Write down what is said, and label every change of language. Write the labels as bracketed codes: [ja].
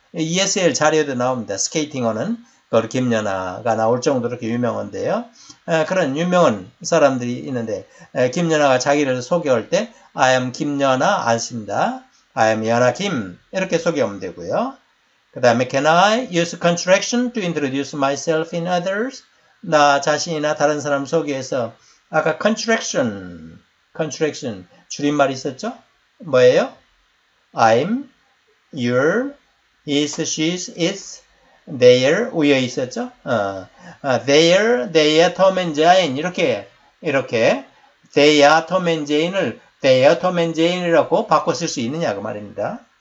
[ko] ESL 자료에도 나옵니다. 스케이팅어는. 그걸 김연아가 나올 정도로 이렇게 유명한데요. 그런 유명한 사람들이 있는데, 김연아가 자기를 소개할 때, I am 김연아 안 씁니다. [en] I am 연아 김. [ko] 이렇게 소개하면 되고요. [en] 그 다음에, Can I use contraction to introduce myself in others? [ko] 나 자신이나 다른 사람 소개해서, 아까 contraction, 줄임말 있었죠? 뭐예요? [en] I'm, your, is, she's, is, their, [ko] 위에 있었죠? [en] their, they, Tom and Jane. [ko] 이렇게. they, Tom and Jane을 they, Tom and Jane이라고 바꿔 쓸수 있느냐, 그 말입니다.